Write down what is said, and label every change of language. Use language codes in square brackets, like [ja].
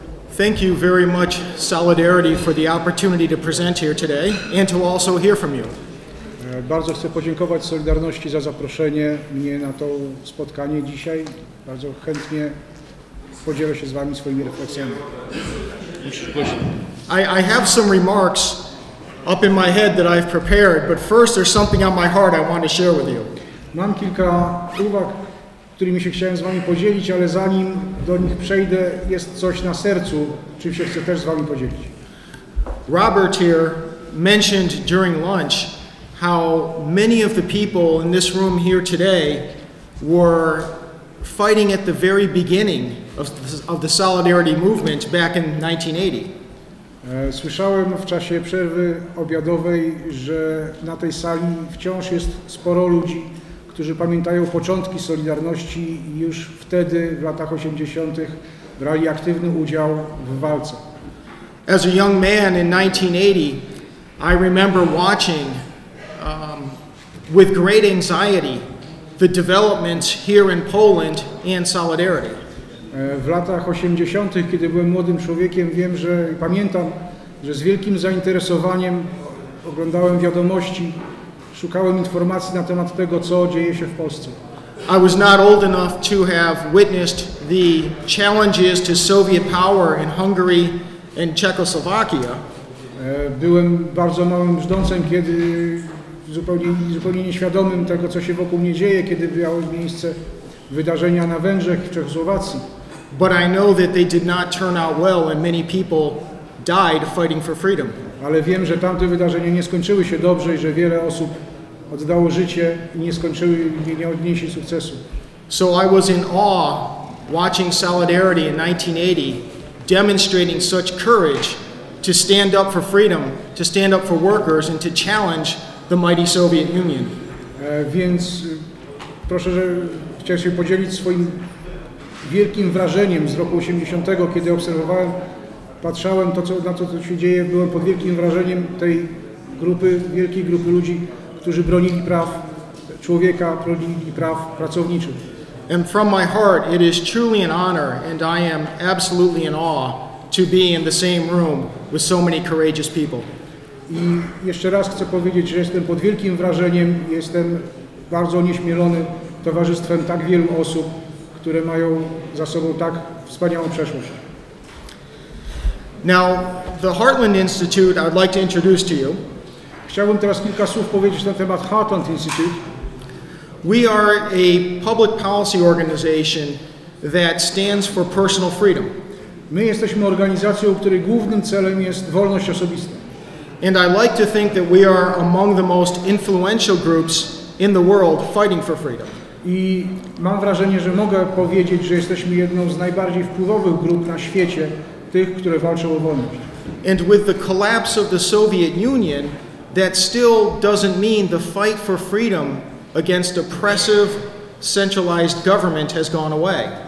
[en] Thank you very much, Solidarity, for the opportunity to present here today and to also hear from you. [pl] Bardzo chcę podziękować Solidarności za zaproszenie mnie na to spotkanie dzisiaj. Bardzo chętnie podzielę się z wami swoimi refleksjami. [en] I have some remarks up in my head that I've prepared, but first there's something on my heart I want to share with you. [pl] Mam kilka uwag, którymi się chciałem z wami podzielić, ale zanim do nich przejdę, jest coś na sercu, czym się chcę też z wami podzielić. [en] Robert here mentioned during lunch how many of the people in this room here today were fighting at the very beginning of the Solidarity movement back in 1980. [pl] Słyszałem w czasie przerwy obiadowej, że na tej sali wciąż jest sporo ludzi, którzy pamiętają początki Solidarności i już wtedy, w latach 80. brali aktywny udział w walce. [en] As a young man in 1980, I remember watching with great anxiety the developments here in Poland and Solidarity. [pl] W latach 80., kiedy byłem młodym człowiekiem, wiem, że pamiętam, że z wielkim zainteresowaniem oglądałem wiadomości, szukałem informacji na temat tego, co dzieje się w Polsce. [en] I was not old enough to have witnessed the challenges to Soviet power in Hungary and Czechoslovakia. [pl] Byłem bardzo małym brzdącem, kiedy zupełnie nieświadomym tego, co się wokół mnie dzieje, kiedy miały miejsce wydarzenia na Węgrzech i Czechosłowacji. [en] But I know that they did not turn out well and many people died fighting for freedom. [pl] Ale wiem, że tamte wydarzenia nie skończyły się dobrze i że wiele osób oddało życie i nie odniesie sukcesu. [en] So I was in awe watching Solidarity in 1980 demonstrating such courage to stand up for freedom, to stand up for workers and to challenge the mighty Soviet Union. [pl] Więc proszę, że chciałem się podzielić swoim wielkim wrażeniem z roku 80, kiedy obserwowałem, patrzałem na to, co się dzieje, byłem pod wielkim wrażeniem tej grupy, wielkiej grupy ludzi, którzy bronili praw człowieka, bronili praw pracowniczych. [en] And from my heart, it is truly an honor, and I am absolutely in awe to be in the same room with so many courageous people. [pl] I jeszcze raz chcę powiedzieć, że jestem pod wielkim wrażeniem, jestem bardzo onieśmielony towarzystwem tak wielu osób, które mają za sobą tak wspaniałą przeszłość. [en] Now, the Heartland Institute I'd like to introduce to you. [pl] Chciałbym teraz kilka słów powiedzieć na temat Heartland Institute. [en] We are a public policy organization that stands for personal freedom. [pl] My jesteśmy organizacją, której głównym celem jest wolność osobista. [en] And I like to think that we are among the most influential groups in the world fighting for freedom. [pl] I mam wrażenie, że mogę powiedzieć, że jesteśmy jedną z najbardziej wpływowych grup na świecie, tych, które walczą o wolność. [en] And with the collapse of the Soviet Union, that still doesn't mean the fight for freedom against oppressive, centralized government has gone away.